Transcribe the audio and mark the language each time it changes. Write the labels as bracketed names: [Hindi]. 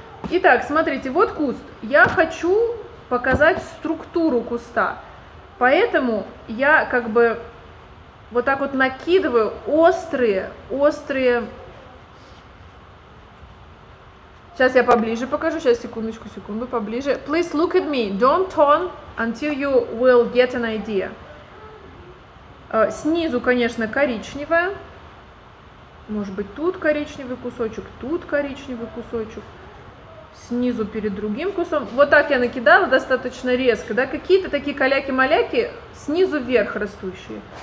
[Russian] Итак, смотрите, вот куст. Я хочу показать структуру куста, поэтому я как бы вот так вот накидываю острые, острые. Сейчас я поближе покажу, сейчас, секундочку, секунду, поближе. [English] Please look at me, don't turn until you will get an idea. [Russian] Снизу, конечно, коричневая. Может быть, тут коричневый кусочек, тут коричневый кусочек. Снизу перед другим кусом. Вот так я накидала достаточно резко, да, какие-то такие каляки-маляки снизу вверх растущие.